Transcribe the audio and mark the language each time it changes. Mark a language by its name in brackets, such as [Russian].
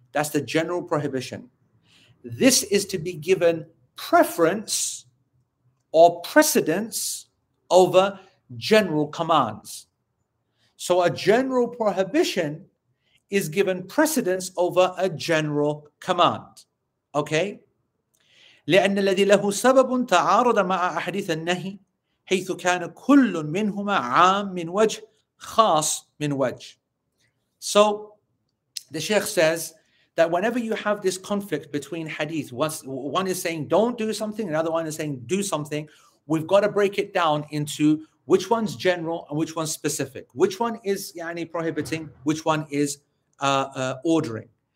[English] That's the general prohibition. This is to be given preference or precedence over general commands. So a general prohibition is given precedence over a general command. Okay? [Arabic] لأن الذي له سبب تعارض مع أحاديث النهي حيث كان كل منهما عام من وجه خاص من وجه. [English] So the Sheikh says that whenever you have this conflict between hadith, one is saying don't do something, another one is saying do something, we've got to break it down into which one's general and which one's specific. Which one is yani prohibiting, which one is ordering.